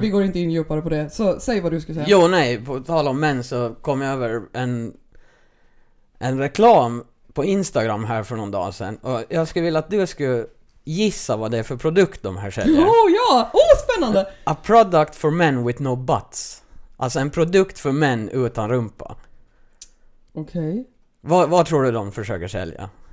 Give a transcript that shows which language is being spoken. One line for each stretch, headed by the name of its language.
Swedish: vi går inte in djupare på det. Så säg vad du skulle säga. Jo, nej, på tal om män så kom jag över en reklam på Instagram här för någon dag sedan. Och jag skulle vilja att du skulle gissa vad det är för produkt de här säljer. Oh, spännande!
English: A product for men with no butts.
Swedish: Alltså en produkt för män utan rumpa. Okej. Okay. Vad tror du de försöker sälja?